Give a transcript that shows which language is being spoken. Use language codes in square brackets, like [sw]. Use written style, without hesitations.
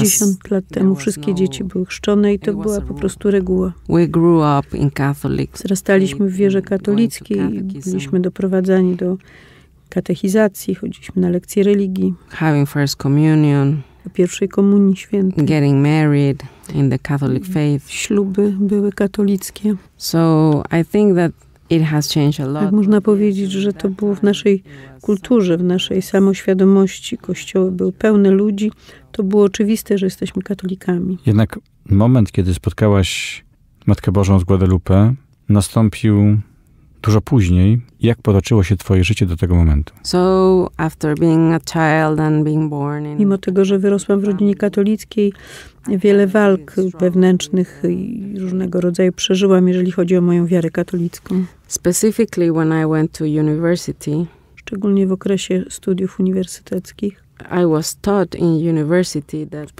[pl] 50 lat temu wszystkie dzieci były chrzczone i to była po prostu reguła. [en] We grew up in Catholic. [pl] Zrastaliśmy w wierze katolickiej i byliśmy doprowadzani do katechizacji, chodziliśmy na lekcje religii. [en] Having first communion. [pl] Do pierwszej komunii świętej. [en] Getting married in the Catholic faith. [pl] Śluby były katolickie. [en] So I think that it has changed a lot. [pl] Tak można powiedzieć, że to było w naszej kulturze, w naszej samoświadomości. Kościoły były pełne ludzi. To było oczywiste, że jesteśmy katolikami. Jednak moment, kiedy spotkałaś Matkę Bożą z Guadalupe, nastąpił dużo później. Jak potoczyło się twoje życie do tego momentu? [en] So after being a child and being born in... [pl] Mimo tego, że wyrosłam w rodzinie katolickiej, wiele walk wewnętrznych i różnego rodzaju przeżyłam, jeżeli chodzi o moją wiarę katolicką. [en] Specifically when I went to university. [pl] Szczególnie w okresie studiów uniwersyteckich. [en] I was taught in university that...